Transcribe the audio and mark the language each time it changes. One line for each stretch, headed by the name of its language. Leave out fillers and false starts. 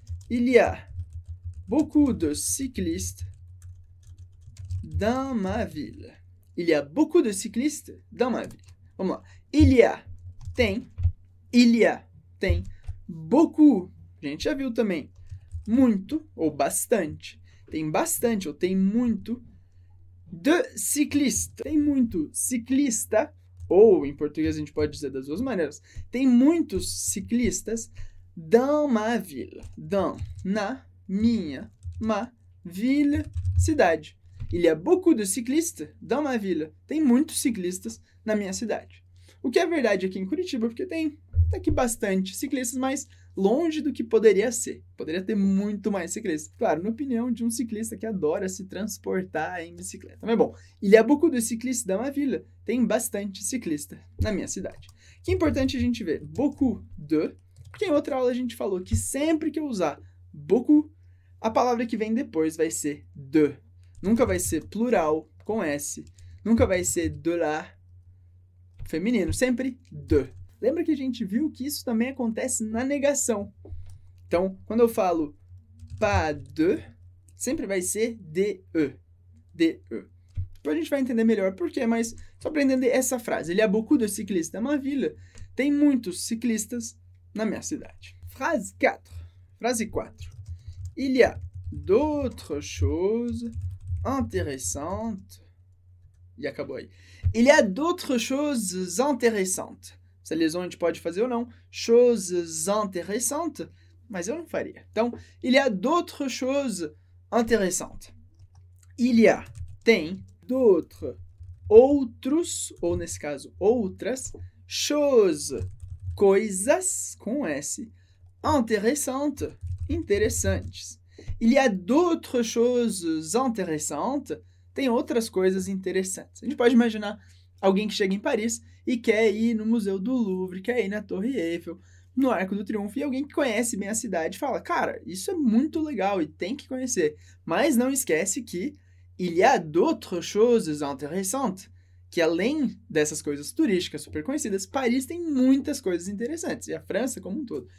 French: Il y a beaucoup de cyclistes dans ma ville. Il y a beaucoup de cyclistes dans ma ville.
Portuguese: Vamos lá. Il y a, tem, beaucoup. A gente já viu também. Muito ou bastante. Tem bastante ou tem muito de cyclistes. Tem muito ciclista. Ou, em português, a gente pode dizer das duas maneiras. Tem muitos ciclistas
French: dans ma ville.
Portuguese: Dans, na, minha, ma, ville, cidade.
French: Il y a beaucoup de cyclistes dans ma ville.
Portuguese: Tem muitos ciclistas na minha cidade. O que é verdade aqui em Curitiba, porque tem até que bastante ciclistas, mas longe do que poderia ser. Poderia ter muito mais ciclistas. Claro, na opinião de um ciclista que adora se transportar em bicicleta. Mas bom,
French: il y a beaucoup de cyclistes dans ma ville.
Portuguese: Tem bastante ciclista na minha cidade. Que é importante a gente ver beaucoup de, porque em outra aula a gente falou que sempre que eu usar beaucoup, a palavra que vem depois vai ser de. Nunca vai ser plural com S. Nunca vai ser de la feminino. Sempre de. Lembra que a gente viu que isso também acontece na negação. Então, quando eu falo pas de, sempre vai ser de. De. Depois a gente vai entender melhor por quê, mas só para entender essa frase.
French: Il y a beaucoup de cyclistes dans ma ville.
Portuguese: Tem muitos ciclistas na minha cidade.
French: Phrase 4.
Portuguese: Frase 4.
French: Il y a d'autres choses intéressantes.
Portuguese: E acabou aí.
French: Il y a d'autres choses intéressantes.
Portuguese: Essa liaison a gente pode fazer ou não.
French: Choses intéressantes.
Portuguese: Mas eu não faria.
French: Então, il y a d'autres choses intéressantes.
Portuguese: Il y a, tem, d'autres, outros, ou nesse caso, outras, choses, coisas, com S, intéressantes, interessantes.
French: Il y a d'autres choses intéressantes.
Portuguese: Tem outras coisas interessantes. A gente pode imaginar alguém que chega em Paris e quer ir no Museu do Louvre, quer ir na Torre Eiffel, no Arco do Triunfo, e alguém que conhece bem a cidade fala: Cara, isso é muito legal e tem que conhecer. Mas não esquece que
French: il y a d'autres choses intéressantes,
Portuguese: que além dessas coisas turísticas super conhecidas, Paris tem muitas coisas interessantes, e a França como um todo.